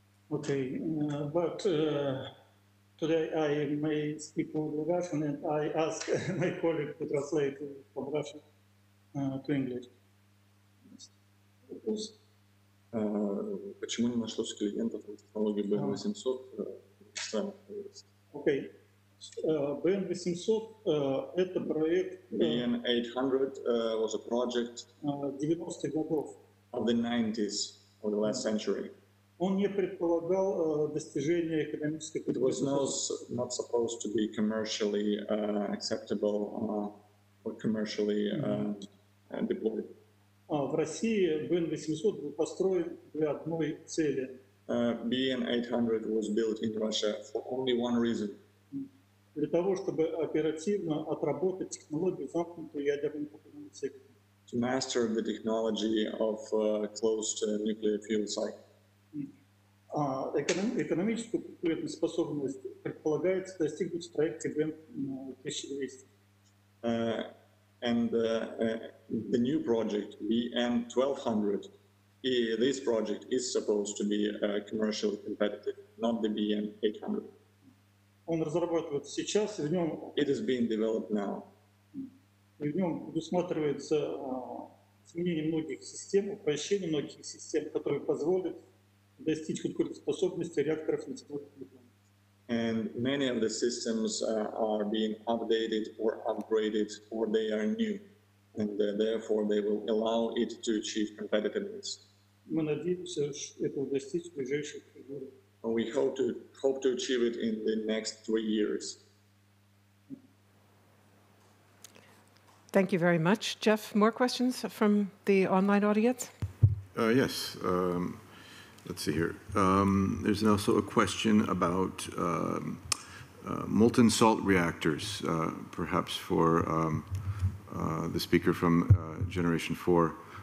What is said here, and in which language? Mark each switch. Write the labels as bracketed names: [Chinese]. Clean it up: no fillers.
[English] Okay, but today I may speak only Russian, and I ask my colleague to translate from Russian to English. [Russian] Почему не нашлось клиентов в технологии BN-800 в странах? Okay, BN-800 это проект. [English] BN-800 was a project. [Russian] 90-х годов. [English] Of the 90s of the last century. [Russian] Он не предполагал достижения экономических. [English] It was not supposed to be commercially acceptable or commercially deployed. [Russian] В России BN-800 был построен для одной цели. [English] BN-800 was built in Russia for only one reason. [Russian] Для того, чтобы оперативно отработать технологию замкнутого ядерного фюзионного цикла. [English] To master the technology of closed nuclear fuel cycle. [Russian] Экономическую конкурентоспособность предполагается достигнуть в проекте BN-1200. [English] The new project, BN-1200, this project is supposed to be commercially competitive, not the BN-800. [Russian] Он разрабатывается сейчас, и в нем... [English] It is being developed now. [Russian] И в нем предусматривается изменение многих систем, упрощение многих систем, которые позволят достичь конкурентоспособности реакторов на сегодняшний. [English] And many of the systems are being updated or upgraded, or they are new, and therefore they will allow it to achieve competitiveness. [Russian] Мы надеемся, что это достичь в ближайшие годы. [English] We hope to achieve it in the next 3 years. Thank you very much, Jeff. More questions from the online audience? Yes. Let's see here. There's also a question about molten salt reactors, perhaps for the speaker from Generation 4.